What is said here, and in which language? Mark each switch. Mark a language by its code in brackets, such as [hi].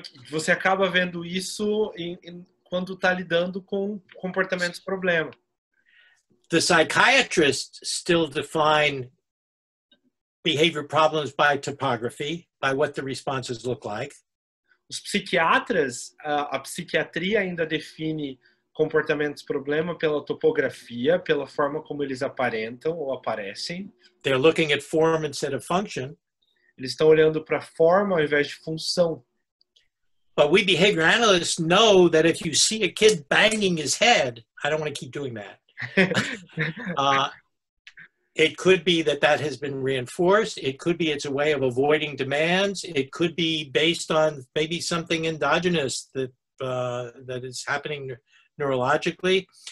[pt] você acaba vendo isso quando está lidando com comportamentos problema. [en] The psychiatrists still define behavior problems by topography, by what the responses look like. [pt] Os psiquiatras, a psiquiatria ainda define comportamentos problema pela topografia, pela forma como eles aparentam ou aparecem. [en] They're looking at form instead of function. [pt] Eles estão olhando para forma ao invés de função. [en] But we behavior analysts know that if you see a kid banging his head, I don't want to keep doing that. it could be that has been reinforced. It could be it's a way of avoiding demands. It could be based on maybe something endogenous that is happening neurologically.